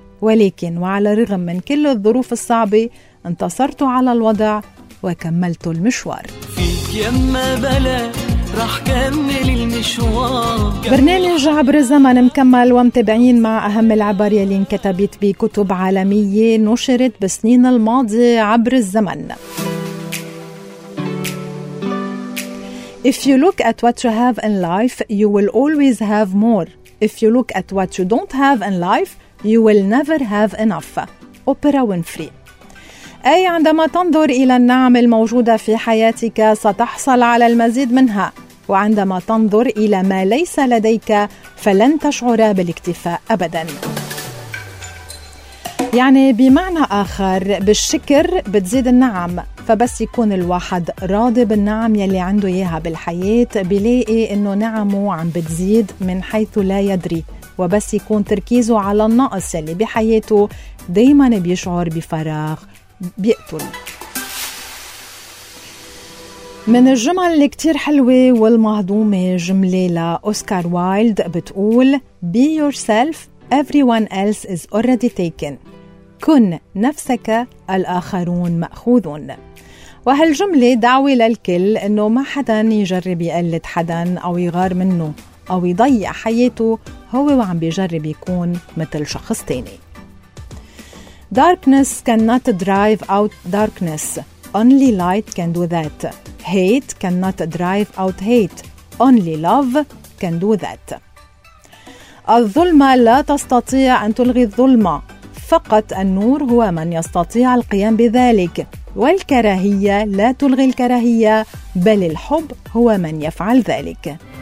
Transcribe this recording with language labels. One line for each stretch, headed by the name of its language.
Arabic: ولكن وعلى الرغم من كل الظروف الصعبة انتصرتوا على الوضع وكملتوا المشوار. فيك يما بلا رح كمل المشوار. برنامج عبر الزمن مكمل ومتابعين مع أهم العبر يلي انكتبت بكتب عالمية نشرت بسنين الماضية عبر الزمن.
English: If you look at what you have in life, you will always have more. If you look at what you don't have in life, You will never have enough.
Arabic: أوبرا وينفري. أي عندما تنظر إلى النعم الموجودة في حياتك ستحصل على المزيد منها، وعندما تنظر إلى ما ليس لديك فلن تشعر بالاكتفاء أبدا. يعني بمعنى آخر، بالشكر بتزيد النعم، فبس يكون الواحد راضي بالنعم يلي عنده إياها بالحياة بيلاقي إنه نعمه عم بتزيد من حيث لا يدري، وبس يكون تركيزه على النقص اللي بحياته دايما بيشعر بفراغ بيقتل. من الجمل اللي كتير حلوة والمهضومة جملة لأوسكار وايلد بتقول
English: Be yourself, everyone else is already taken.
Arabic: كن نفسك، الآخرون مأخوذون. وهالجملة دعوة للكل إنه ما حدا يجرب يقلد حدا أو يغار منه أو يضيع حياته هو وعم بيجرب يكون مثل شخص تاني.
English: Darkness cannot drive out darkness. Only light can do that. Hate cannot drive out hate. Only love can do that.
Arabic: الظلمة لا تستطيع أن تلغي الظلمة. فقط النور هو من يستطيع القيام بذلك. والكراهية لا تلغي الكراهية، بل الحب هو من يفعل ذلك.